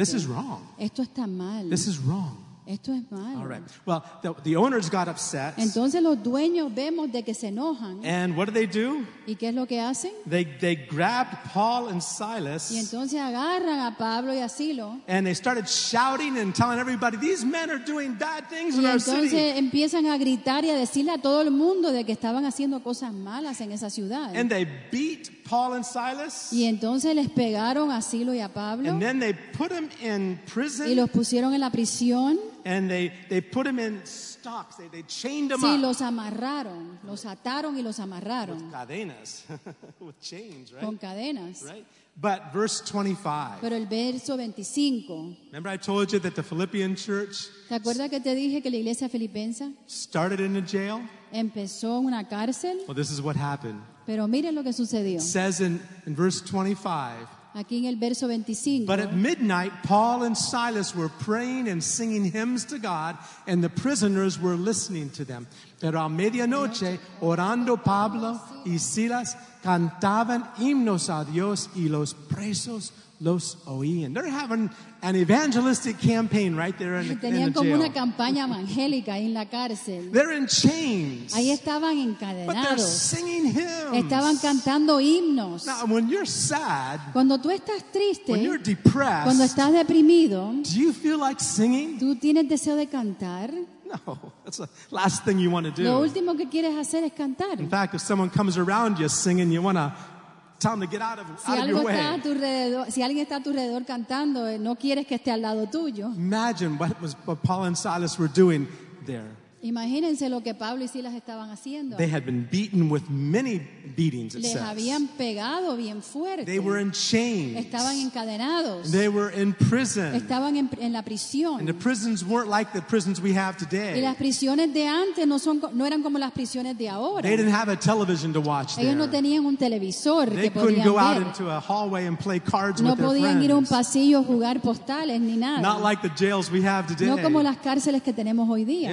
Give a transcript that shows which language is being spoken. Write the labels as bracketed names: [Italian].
[English] This is wrong. [Spanish] Esto está mal. [English] This is wrong. [Spanish] Esto es malo. [English] All right. Well, the owners got upset. [Spanish] Entonces los dueños vemos de que se enojan. [English] And what do? [Spanish] ¿Y qué es lo que hacen? [English] They grabbed Paul and Silas. [Spanish] Y entonces agarran a Pablo y a Silo. [English] And they started shouting and telling everybody, these men are doing bad things in our city. [Spanish] Y entonces empiezan a gritar y a decirle a todo el mundo de que estaban haciendo cosas malas en esa ciudad. [English] And they beat Paul and Silas. [Spanish] Y entonces les pegaron a Silo y a Pablo. [English] And then they put them in prison. [Spanish] Y los pusieron en la prisión. [English] And they put him in stocks. They chained him [Spanish] sí, [English] up. [Spanish] Sí, los amarraron. Los ataron y los amarraron. [English] With cadenas. With chains, right? [Spanish] Con cadenas. [English] Right? But verse 25. [Spanish] Pero el verso 25. [English] Remember I told you that the Philippian church [Spanish] ¿Te acuerdas que te dije que la iglesia filipense [English] started in a jail? [Spanish] Empezó en una cárcel. [English] Well, this is what happened. [Spanish] Pero miren lo que sucedió. [English] It says in verse 25. [Spanish] Aquí en el verso 25. [English] But at midnight, Paul and Silas were praying and singing hymns to God, and the prisoners were listening to them. [Spanish] Pero a medianoche, orando Pablo y Silas, cantaban himnos a Dios y los presos los oían. [English] They're having an evangelistic campain right there in the jail. [Spanish] Tenían como una campaña evangélica en la cárcel. [English] They're in chains. [Spanish] Ahí estaban encadenados. [English] But they're singing hymns. [Spanish] Estaban cantando himnos. [English] Now, when you're sad, [Spanish] cuando tú estás triste, [English] when you're depressed, [Spanish] cuando estás deprimido, [English] do you feel like singing? [Spanish] ¿Tú tienes deseo de cantar? [English] No, that's the last thing you want to do. [Spanish] Lo último que quieres hacer es cantar. [English] In fact, if someone comes around you singing, you want to tell them to get out of your way. Imagine what Paul and Silas were doing there. [Spanish] Imagínense lo que Pablo y Silas estaban haciendo. [English] They had been beaten with many beatings, it [Spanish] Les [English] says. [Spanish] Habían pegado bien fuerte. [English] They were in chains. [Spanish] Estaban encadenados. [English] They were in prison. [Spanish] Estaban en la prisión. [English] And the prisons weren't like the prisons we have today. [Spanish] Y las prisiones de antes no, son, no eran como las prisiones de ahora. [English] They didn't have a television to watch [Spanish] Ellos [English] there. [Spanish] No tenían un televisor [English] they [Spanish] que [English] couldn't go [Spanish] ver. [English] Out into a hallway and play cards [Spanish] no [English] with their friends. [Spanish] No podían ir a un pasillo a jugar postales ni nada. [English] Not like the jails we have today. [Spanish] No como las cárceles que tenemos hoy día.